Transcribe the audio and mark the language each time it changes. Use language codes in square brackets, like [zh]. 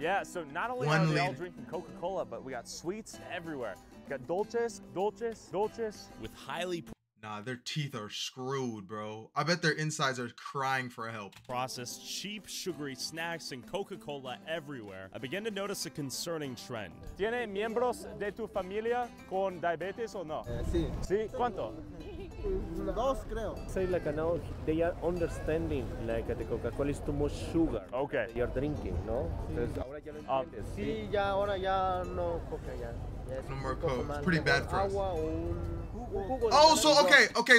[en] Yeah, so not only one are we all drinking Coca-Cola, but we got sweets everywhere. We got dulces. With highly... Nah, their teeth are screwed, bro. I bet their insides are crying for help. Processed cheap sugary snacks and Coca-Cola everywhere. I began to notice a concerning trend. [es] ¿Tiene miembros de tu familia con diabetes o no? Sí. ¿Sí? ¿Cuánto? Dos, creo. [en] Say like now they are understanding like the Coca-Cola is too much sugar. Okay. You're drinking, no? [es] Sí, ya ahora ya no coca ya. [en] No more Coke. It's pretty bad for [es] agua [en] us. Oh, so okay.